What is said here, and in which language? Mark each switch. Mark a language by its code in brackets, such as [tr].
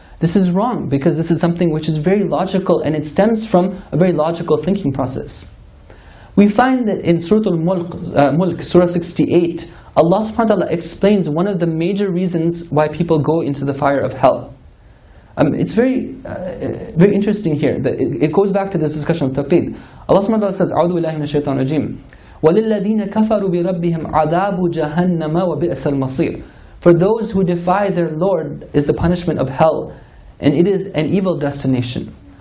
[en] This is wrong, because this is something which is very logical, and it stems from a very logical thinking process. We find that in Surah Al-Mulk, Surah 68, Allah subhanahu wa ta'ala explains one of the major reasons why people go into the fire of hell. It's very very interesting here that it goes back to this discussion of taqleed. Allah subhanahu wa ta'ala says, [ar] أعوذ بالله من الشيطان الرجيم وَلِلَّذِينَ كَفَرُوا بِرَبِّهِمْ عَذَابُ جَهَنَّمَ وَبِئْسَ الْمَصِيرُ. [en] For those who defy their Lord is the punishment of hell, and it is an evil destination.